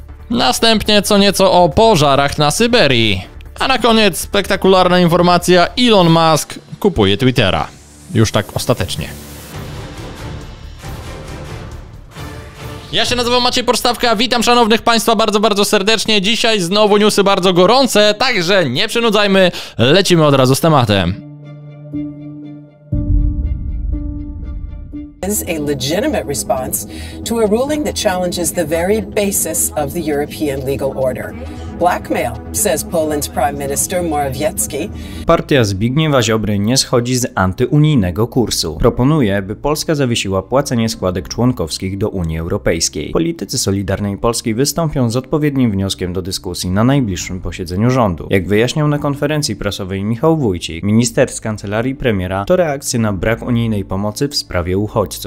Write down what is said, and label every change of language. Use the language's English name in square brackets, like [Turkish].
[Polish] Następnie co nieco o pożarach na Syberii. A na koniec spektakularna informacja: Elon Musk kupuje Twittera. Już tak ostatecznie. Ja się nazywam Maciej Porstawka, witam szanownych państwa bardzo, bardzo serdecznie. Dzisiaj znowu newsy bardzo gorące, także nie przynudzajmy, lecimy od razu z tematem. [English] Is a legitimate response to a ruling that challenges the very basis of the European legal order. Blackmail, says Poland's prime minister Morawiecki. [Polish] Partia Zbigniewa Ziobry nie schodzi z antyunijnego kursu. Proponuje, by Polska zawiesiła płacenie składek członkowskich do Unii Europejskiej. Politycy Solidarnej Polski wystąpią z odpowiednim wnioskiem do dyskusji na najbliższym posiedzeniu rządu. Jak wyjaśniał na konferencji prasowej Michał Wójcik, minister z kancelarii premiera, to reakcja na brak unijnej pomocy w sprawie uchodźców.